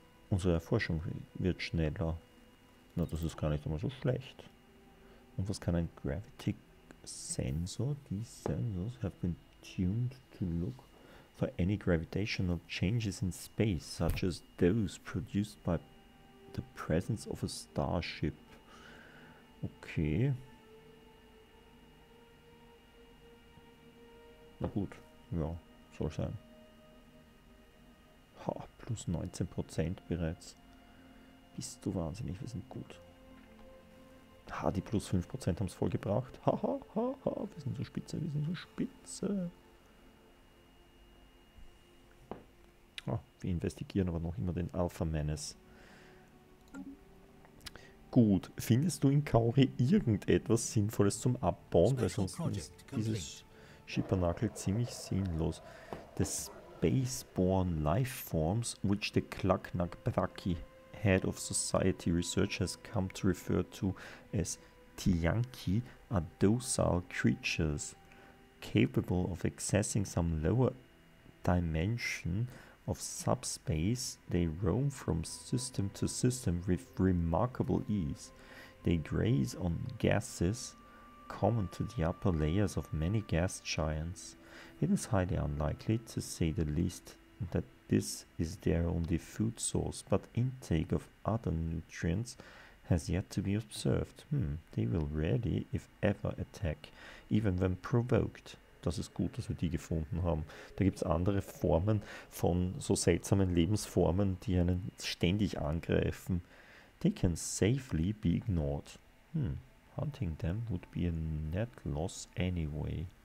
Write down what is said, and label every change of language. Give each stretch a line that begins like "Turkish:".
German: Unsere Erforschung wird schneller. Na, das ist gar nicht einmal so schlecht. Und was kann ein Gravity Sensor?
English: These sensors have been tuned to look for any gravitational changes in space, such as those produced by the presence of a starship. Okay.
German: Na gut, ja, soll sein. Ha, plus 19% bereits. Bist du wahnsinnig, wir sind gut. Ha, die plus 5% haben es vollgebracht. Ha, ha, ha, ha, wir sind so spitze, wir sind so spitze. Ha, wir investigieren aber noch immer den Alpha Menace. Gut, findest du in Kauri irgendetwas Sinnvolles zum Abbauen? Weil sonst ist dieses Schippernackel ziemlich sinnlos.
English: The space-born lifeforms, which the Klacknack-Bracki head of society research has come to refer to as Tianki, are docile creatures capable of accessing some lower dimension of subspace. They roam from system to system with remarkable ease. They graze on gases common to the upper layers of many gas giants. It is highly unlikely, to say the least, that this is their only food source, but intake of other nutrients has yet to be observed. Hmm, they will rarely, if ever, attack, even when provoked.
German: Das ist gut, dass wir die gefunden haben. Da gibt es andere Formen von so seltsamen Lebensformen, die einen ständig angreifen.
English: They can safely be ignored. Hmm. Hunting them would be a net loss anyway.